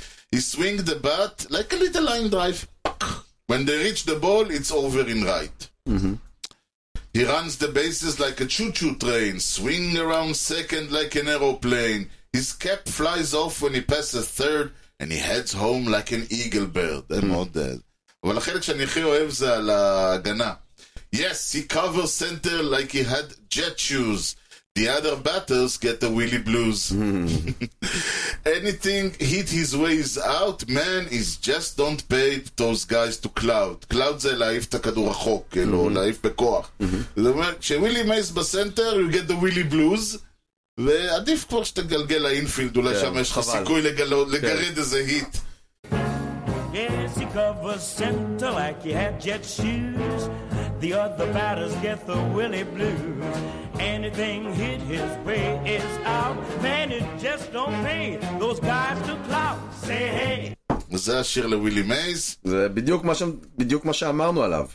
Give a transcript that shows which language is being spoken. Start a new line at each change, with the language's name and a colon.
English: He swing the bat like a little line drive, when they reach the ball, it's over in right. He runs the bases like a choo-choo train, swing around second like an aeroplane. His cap flies off when he passes third, and he heads home like an eagle bird. I'm not dead.
Hebrew: אבל החלק שאני הכי אוהב זה על ההגנה.
English: Yes, he covers center like he had jet shoes. The other batters get the Willy Blues. Anything hit his way is out, man, is just don't pay those guys to cloud.
Hebrew: Cloud זה להעיף את הכדור החוק, כאילו, להעיף בכוח. זאת אומרת, כשווילי מייס בסנטר,
English: you get the Willy Blues,
Hebrew: ועדיף כבר שתגלגל לאינפילד, אולי שם יש לך סיכוי לגרד איזה היט.
English: Yes, he covers center like he had jet shoes. The other batters get the Willy Blues. Anything hit his way is out. Man, it just don't pay those guys to clout. Say hey.
Hebrew: זה השיר לווילי מייז. זה בדיוק מה, בדיוק מה שאמרנו עליו.